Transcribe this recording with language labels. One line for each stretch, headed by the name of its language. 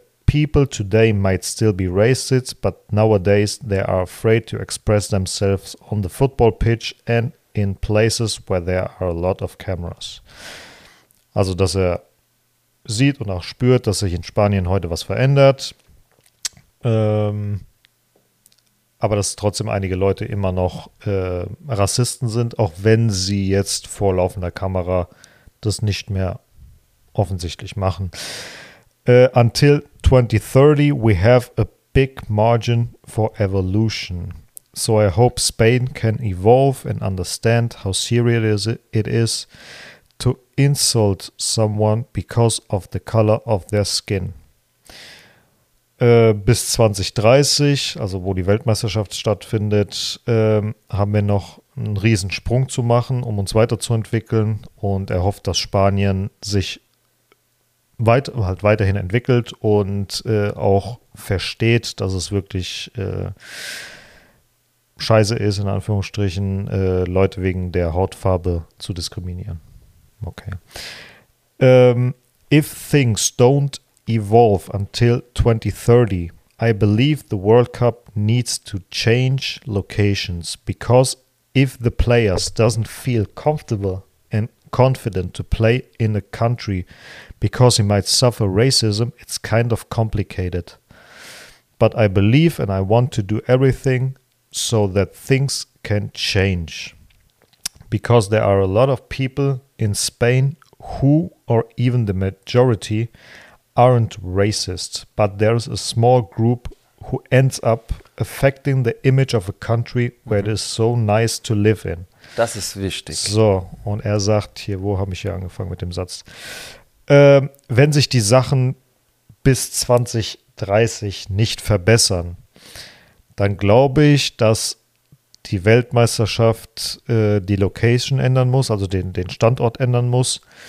English: People today might still be racist, but nowadays they are afraid to express themselves on the football pitch and in places where there are a lot of cameras.
German: Also, dass er sieht und auch spürt, dass sich in Spanien heute was verändert. Aber dass trotzdem einige Leute immer noch Rassisten sind, auch wenn sie jetzt vor laufender Kamera das nicht mehr offensichtlich machen.
English: Until 2030, we have a big margin for evolution. So I hope Spain can evolve and understand how serious it is to insult someone because of the color of their skin.
German: bis 2030, also wo die Weltmeisterschaft stattfindet, haben wir noch einen Riesensprung zu machen, um uns weiterzuentwickeln. Und er hofft, dass Spanien sich weiterhin entwickelt und auch versteht, dass es wirklich scheiße ist, in Anführungsstrichen, Leute wegen der Hautfarbe zu diskriminieren. Okay.
English: If things don't evolve until 2030, I believe the World Cup needs to change locations, because if the players doesn't feel comfortable and confident to play in a country because he might suffer racism, it's kind of complicated. But I believe and I want to do everything so that things can change. Because there are a lot of people in Spain who, or even the majority, aren't racist, but there's a small group who ends up affecting the image of a country where it is so nice to live in.
German: Das ist wichtig. So, und er sagt hier, wo habe ich hier angefangen mit dem Satz? Wenn sich die Sachen bis 2030 nicht verbessern, dann glaube ich, dass die Weltmeisterschaft die Location ändern muss, also den Standort ändern muss.